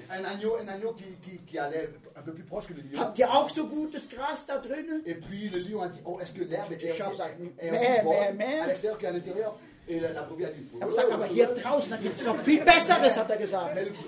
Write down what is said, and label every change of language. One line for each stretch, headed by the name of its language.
German: Ein
French: agneau qui allait un peu plus proche que le lion.
German: Habt ihr auch so gutes Gras da drinnen?
French: Et puis le lion a dit, oh, est-ce que l'herbe est aussi bonne à l'extérieur qu'à l'intérieur? Et la brebis a dit, oh,
German: aber hier draußen gibt es noch viel Besseres, hat er gesagt.